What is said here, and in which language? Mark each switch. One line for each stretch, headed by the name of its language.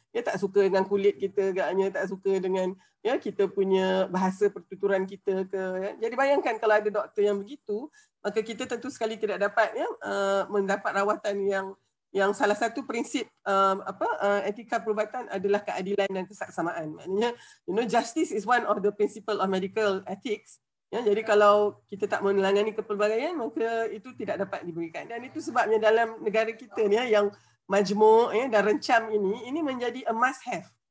Malay: Dia tak suka dengan kulit kita agaknya, tak suka dengan ya kita punya bahasa pertuturan kita ke ya. Jadi bayangkan kalau ada doktor yang begitu, maka kita tentu sekali tidak dapat ya mendapat rawatan yang salah satu prinsip etika perubatan adalah keadilan dan kesaksamaan. Maknanya
English: you know, justice is one of the principle of medical ethics.
Malay: Ya, jadi kalau kita tak menangani kepelbagaian, maka itu tidak dapat diberikan. Dan itu sebabnya dalam negara kita ni yang majmuk ya, dan rencam ini menjadi
English: a must have.